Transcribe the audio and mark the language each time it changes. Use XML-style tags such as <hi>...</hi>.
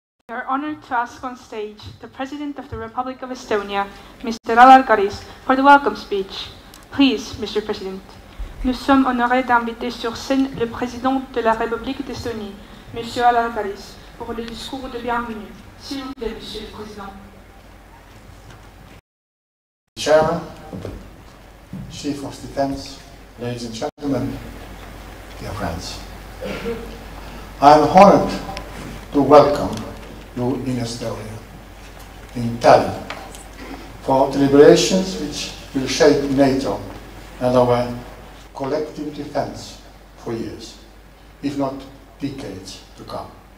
<en>On stage, the President of the Republic of Estonia, Mr. Alar Karis, for the welcome speech. Please, Mr. President.</en> <fr>Nous sommes honorés d'inviter sur scène le Président de la République d'Estonie, Monsieur Alar Karis, pour le discours de bienvenue. S'il vous plaît, Monsieur le Président.</fr> <en>Chairman, Chief of Defense, ladies and gentlemen, dear friends, I am honored to welcome you in Estonia, in Tallinn, for deliberations which will shape NATO and our collective defense for years, if not decades to come.</en>